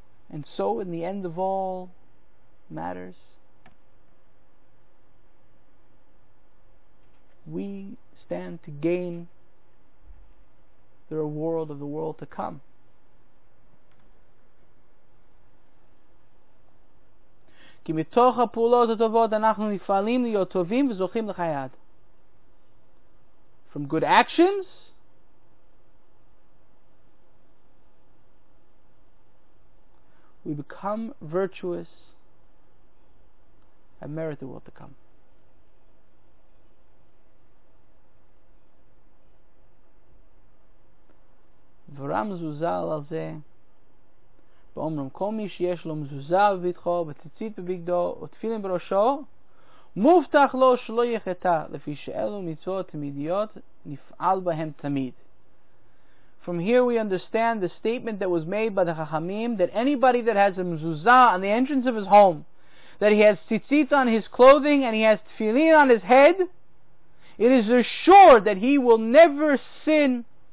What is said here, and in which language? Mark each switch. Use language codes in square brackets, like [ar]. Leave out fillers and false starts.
[en] And so in the end of all matters, we stand to gain the reward of the world to come. [he] כי מתוך הפעולות הטובות אנחנו נפעלים להיות טובים וזוכים לחייו. [en] From good actions, we become virtuous and merit the world to come. [he] ורמזו זל על זה באומרם כל מי שיש לו מזוזה בביתחו וציצית בביגדו ותפילים בראשו מובטח לו שלא יחטא לפי שאלו מצוות תמידיות נפעל בהם תמיד. [en] From here we understand the statement that was made by the Chachamim that anybody that has a mezuzah on the entrance of his home, that he has tzitzit on his clothing and he has tefillin on his head, it is assured that he will never sin.